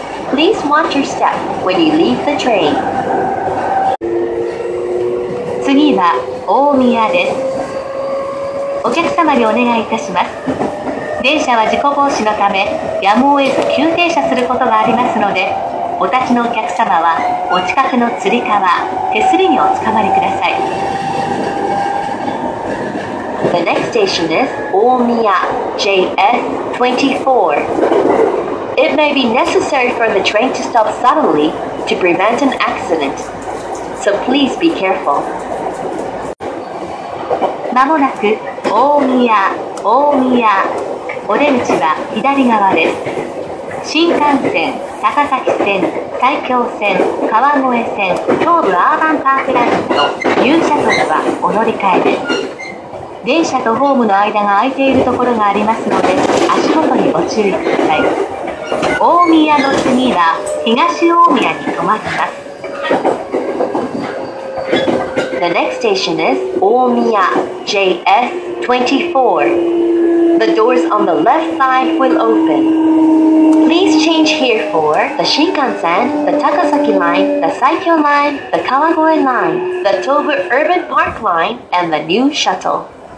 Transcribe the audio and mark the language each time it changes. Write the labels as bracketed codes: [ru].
[en] Please watch your step when you leave the train. [ja] 次は大宮です。お客様にお願いいたします。電車は事故防止のため、やむを得ず急停車することがありますので、お立ちのお客様はお近くのつり革、手すりにおつかまりください。 [en] The next station is 大宮 JS24. It may be necessary for the train to stop suddenly to prevent an accident. So please be careful. [ja] まもなく大宮、大宮、お出口は左側です。新幹線、高崎線、埼京線、川越線、東武アーバンパークラインと入社時はお乗り換えです。電車とホームの間が空いているところがありますので、足元にご注意ください。大宮の次は東大宮に停まります。 [en] The next station is 大宮 JS24. The doors on the left side will open. Please change here for the Shinkansen, the Takasaki Line, the Saikyo Line, the Kawagoe Line, the Tobu Urban Park Line, and the new shuttle.